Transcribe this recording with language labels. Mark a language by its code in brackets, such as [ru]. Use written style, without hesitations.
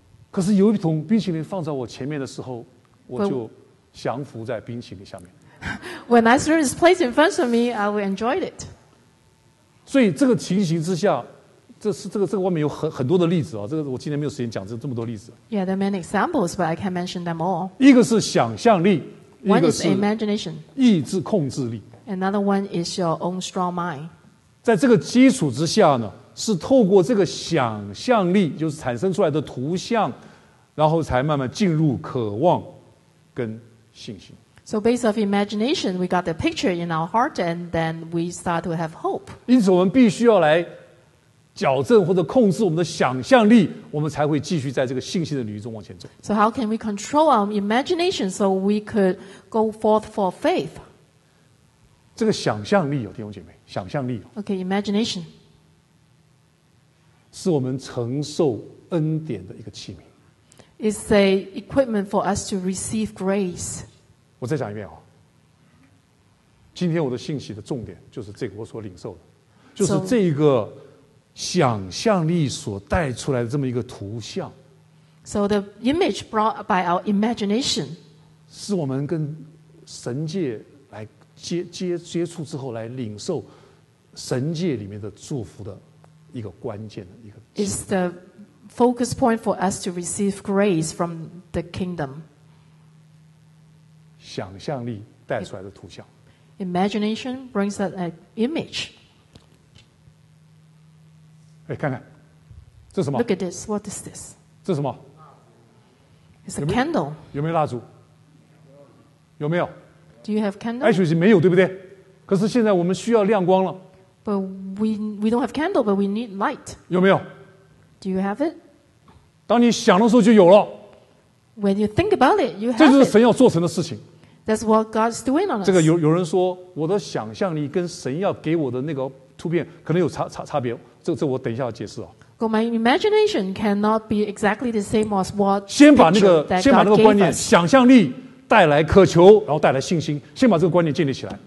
[zh] 可是有一桶冰淇淋放在我前面的时候，我就降服在冰淇淋下面。 [en] When ice cream is placed in front of me, I will enjoy it. [zh] 所以这个情形之下，这是这个外面有很多的例子啊。这个我今天没有时间讲这么多例子。 [en] Yeah, there are many examples, but I can't mention them all. [zh] 一个是想象力，一个是 [en] imagination， [zh] 意志控制力。 [en] Another one is your own strong mind. [zh] 在这个基础之下呢，是透过这个想象力，就是产生出来的图像，然后才慢慢进入渴望跟信心。 [en] So based off imagination, we got the picture in our heart, and then we start to have hope. [zh] 因此，我们必须要来矫正或者控制我们的想象力，我们才会继续在这个信心的旅中往前走。 [en] So how can we control our imagination so we could go forth for faith? [zh] 这个想象力有弟兄姐妹，想象力。 [en] Okay, imagination. [zh] 是我们承受恩典的一个器皿。 [en] It's a equipment for us to receive grace. [zh] 我再讲一遍哦。今天我的信息的重点就是这个，我所领受的，就是这一个。想象力所带出来的这么一个图像 [en] So the image brought by our imagination [zh] 是我们跟神界来 接触之后来领受神界里面的祝福的一个关键的一个 [en] It's the focus point for us to receive grace from the kingdom [zh] 想象力带出来的图像 [en] Imagination brings that image [zh] 哎，看看，这什么 [en] ？Look at this. What is this? [zh] 这什么 [en] ？It's a candle. [zh] 有没有蜡烛？有没有 [en] ？Do you have candle? Actually, [zh] 没有，对不对？可是现在我们需要亮光了。 [en] But we don't have candle, but we need light. [zh] 有没有 [en] ？Do you have it? [zh] 当你想的时候就有了。 [en] When you think about it, you have. [zh] 这就是神要做成的事情。 [en] That's what God's doing on us. [zh] 这个有人说，我的想象力跟神要给我的那个突变可能有差别。这我等一下要解释哦。 [en] Well, my imagination cannot be exactly the same as what. [zh] 先把那个观念，想象力带来渴求，然后带来信心。先把这个观念建立起来。